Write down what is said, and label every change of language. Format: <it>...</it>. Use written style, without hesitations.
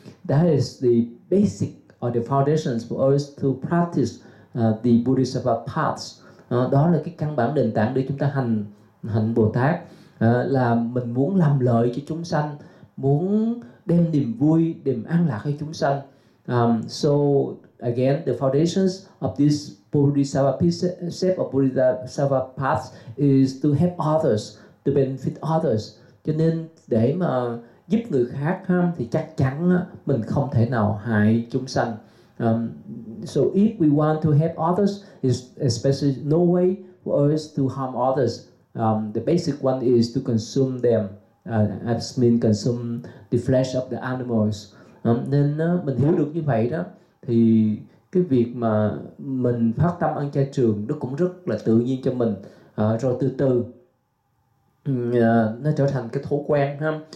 <en>That is the basic or the foundations for us to practice the Bodhisattva paths.</en> <vi>Đó là cái căn bản nền tảng để chúng ta hành Bồ Tát. Là mình muốn làm lợi cho chúng sanh, muốn đem niềm vui, đem an lạc cho chúng sanh.</vi> <en>So again, the foundations of this Bodhisattva precept or Bodhisattva path is to help others, to benefit others.</en> <vi>Cho nên để mà giúp người khác ha, thì chắc chắn mình không thể nào hại chúng sanh.</vi> <en>So if we want to help others, it's especially no way for us to harm others. The basic one is to consume them, as mean consume the flesh of the animals.</en> <vi>Nên mình hiểu được như vậy đó, thì cái việc mà mình phát tâm ăn chay trường nó cũng rất là tự nhiên cho mình, rồi từ từ nó trở thành cái thói quen ha.</vi>